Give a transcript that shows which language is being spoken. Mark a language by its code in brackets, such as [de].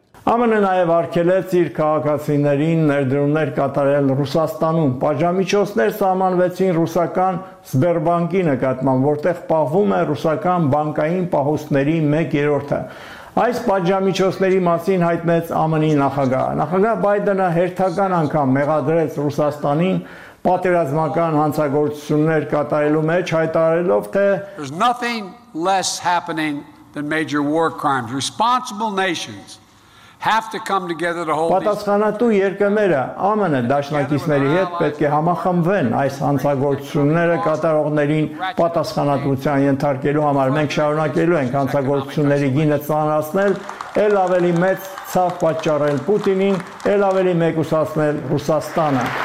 [hy] ԱՄՆ-ը նաև արգելեց իր քաղաքացիներին ներդրումներ կատարել Ռուսաստանում, պատժամիջոցներ սահմանվեցին ռուսական Սբերբանկի նկատմամբ, որտեղ պահվում է ռուսական բանկային պահոցների 1/3-ը։ Այս պատժամիջոցների մասին հայտնեց ԱՄՆ-ի նախագահը։ Նախագահ Բայդենը հերթական անգամ մեղադրեց Ռուսաստանին, պատերազմական հանցագործություններ կատարելու մեջ հայտարելով թե [en] There's nothing less happening than major war crimes. Responsible nations have to come together to hold these [hy] Պատասխանատու երկրները ԱՄՆ դաշնակիցների հետ պետք է համախմբվեն այս հանցագործությունները կատարողներին պատասխանատվության ենթարկելու համար։ Մենք շարունակելու ենք հանցագործությունների գինը ծանրացնել, այլ ավելի մեծ ցավ պատճառել Պուտինին, այլ ավելի մեկուսացնել Ռուսաստանը։